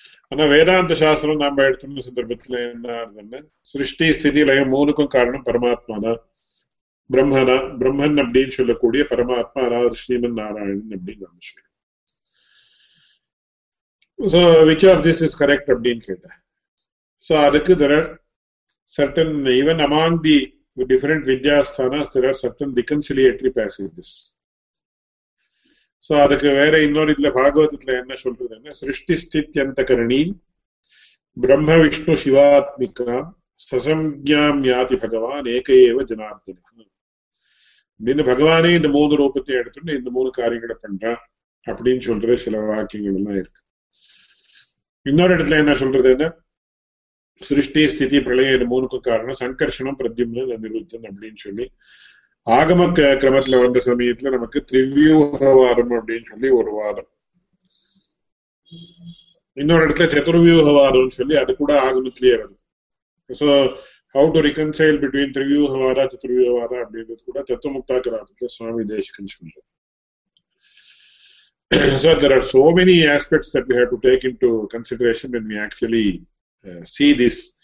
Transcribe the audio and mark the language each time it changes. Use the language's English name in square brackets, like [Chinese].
[Tamil] ஆனா வேதாந்த சாஸ்திரம் நாம எடுத்துன சந்தர்ப்பத்துல என்ன ஆகுதுன்னு, சிருஷ்டி ஸ்திதி லயம் மூணுக்கும் காரணம் பரமாத்மா தான், பிரம்மனா பிரம்மன் அப்படின்னு சொல்லக்கூடிய பரமாத்மா அதாவது ஸ்ரீமன் நாராயணன் அப்படின்னு நம்ம சொல்லுவோம். [English] So, which of this is correct? So, there are certain, even among the different vidyasthanas, there are certain reconciliatory passages. [Tamil] So, அதுக்கு வேற இன்னொரு இதுல பாகவதத்துல என்ன சொல்றதுன்னா, சிருஷ்டி ஸ்தித்யந்த கரணி பிரம்ம விஷ்ணு சிவாத்மிகா சசம்யாம் யாதி பகவான் ஏக ஏவ ஜனார்த்தன. அப்படின்னு பகவானே இந்த மூணு ரூபத்தை எடுத்துட்டு இந்த மூணு காரியங்களை பண்றான் அப்படின்னு சொல்ற சில வாக்கியங்கள் எல்லாம் இருக்கு. இன்னொரு இடத்துல என்ன சொல்றது என்ன, சிருஷ்டி ஸ்திதி பிரளயம் இந்த மூணுக்கு காரணம் சங்கர்ஷனம் பிரத்யும்ன நிருத்தன் அப்படின்னு சொல்லி ஆகம கிரமத்துல வந்த சமயத்துல நமக்கு த்ரிவியூகவாதம் அப்படின்னு சொல்லி ஒரு வாதம், இன்னொரு இடத்துல சதுர்வியூகவாதம் சொல்லி அது கூட ஆகமத்திலேயே வருது. [English] so how to reconcile between [Tamil] த்ரிவியூகவாதா சதுர்வியூகவாதா அப்படின்றது கூட தத்துவ முக்தாக்கிராமத்துல சுவாமி தேசிகன்னு சொல்ற. [English] So there are so many aspects that we have to take into consideration when we actually see this.